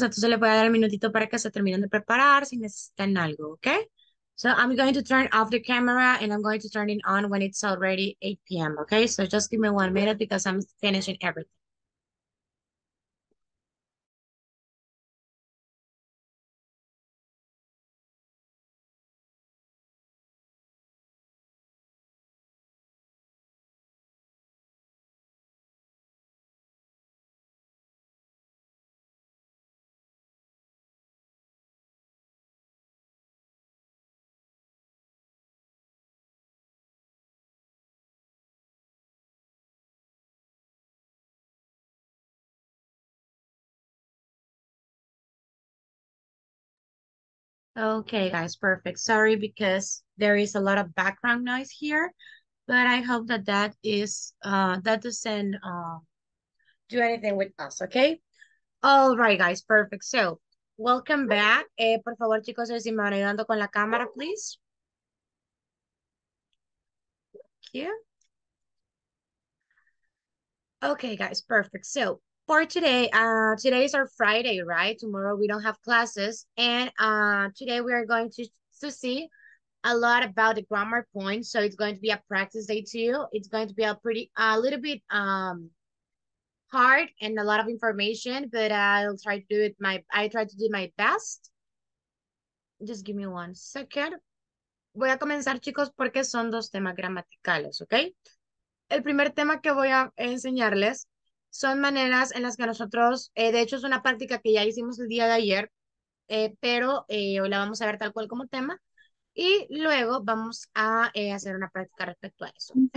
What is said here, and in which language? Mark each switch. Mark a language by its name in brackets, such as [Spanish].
[Spanish] Entonces le voy a dar un minutito para que se terminen de preparar si necesitan algo, ¿ok? [English] So I'm going to turn off the camera and I'm going to turn it on when it's already 8 p.m., ok? So just give me 1 minute because I'm finishing everything. Okay, guys, perfect. Sorry because there is a lot of background noise here, but I hope that that doesn't do anything with us, okay? All right, guys, perfect. So, welcome back. [Spanish] Por favor, chicos, si me van ayudando con la cámara, [English] please. Here. Okay, guys, perfect. So, for today, today is our Friday, right? Tomorrow we don't have classes. And today we are going to see a lot about the grammar points. So it's going to be a practice day too. It's going to be a pretty a little bit hard and a lot of information, but I'll try to do it my I try to do my best. Just give me 1 second. [Spanish] Voy a comenzar, chicos, porque son dos temas gramaticales, ¿ok? El primer tema que voy a enseñarles son maneras en las que nosotros, de hecho es una práctica que ya hicimos el día de ayer, pero hoy la vamos a ver tal cual como tema y luego vamos a hacer una práctica respecto a eso.